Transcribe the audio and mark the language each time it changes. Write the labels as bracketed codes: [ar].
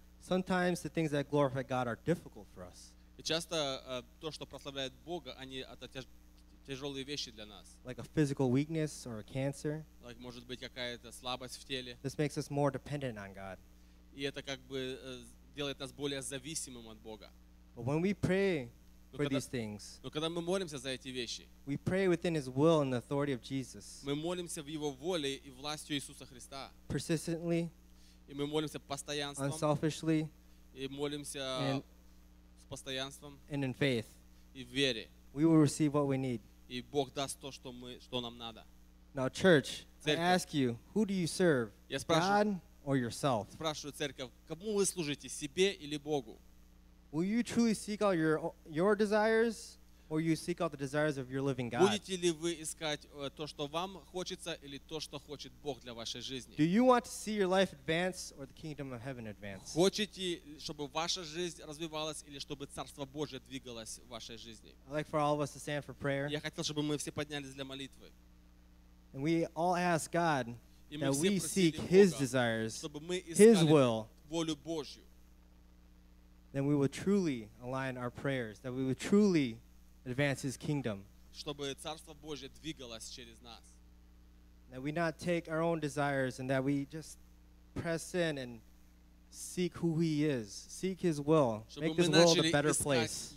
[en] Sometimes the things that glorify God are difficult for us. [ru] И часто то, что прославляет Бога, они это тяжелые вещи для нас. [en] Like a physical weakness or a cancer. [ru] Like может быть какая-то слабость в теле. [en] This makes us more dependent on God. [ru] И это как бы делает нас более зависимым от Бога. [en] But when we pray for these things, [ru] но когда мы молимся за эти вещи, [en] we pray within His will and the authority of Jesus. [ru] Мы молимся в Его воле и властью Иисуса Христа. [en] Persistently. [ru] И мы молимся постоянством. [en] Unselfishly. [ru] И молимся с постоянством. [en] And in faith. [ru] И в вере. [en] We will receive what we need. [ru] И Бог даст то, что мы, что нам надо. [en] Now, church, [ru] церковь, [en] I ask you, who do you serve? [ru] Я спрашиваю, [en] God or yourself? [ru] Спрашиваю церковь, кому вы служите, себе или Богу? [en] Will you truly seek out your desires, or you seek out the desires of your living God? [ru] Будете ли вы искать то, что вам хочется, или то, что хочет Бог для вашей жизни? [en] Do you want to see your life advance, or the kingdom of heaven advance? [ru] Хотите, чтобы ваша жизнь развивалась, или чтобы Царство Божие двигалось в вашей жизни? [en] I'd like for all of us to stand for prayer. [ru] Я хотел, чтобы мы все поднялись для молитвы. [en] And we all ask God that we seek His desires, His will. [ru] Волю Божью. [en] then we will truly align our prayers, that we will truly advance His kingdom. [ru] Чтобы царство Божье двигалось через нас. [en] That we not take our own desires and that we just press in and seek who He is, seek His will, make this world a better place.